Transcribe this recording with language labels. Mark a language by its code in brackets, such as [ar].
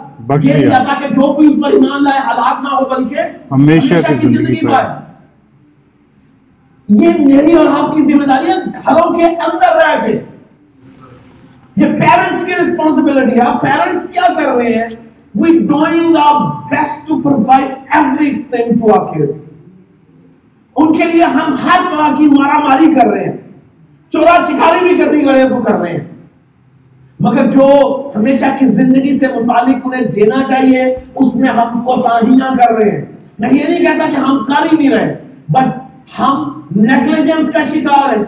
[hi] बख्श दिया ताकि जो कोई उस पर ईमान लाए हलाक ना हो बल्कि हमेशा की जिंदगी पाए। ये मेरी और आपकी जिम्मेदारी है घरों के अंदर रह के। ये पेरेंट्स की रिस्पॉन्सिबिलिटी है। पेरेंट्स क्या कर रहे हैं? [en] We doing our best to provide everything to our kids. [hi] उनके लिए हम हर तरह की मारामारी कर रहे हैं, चोरा चिकारी भी करनी पड़े तो कर रहे हैं, मगर जो हमेशा की जिंदगी से मुतालिक उन्हें देना चाहिए उसमें हम कोताहियां कर रहे हैं। मैं ये नहीं कहता कि हम कर ही नहीं रहे, बट हम नेग्लिजेंस का शिकार है।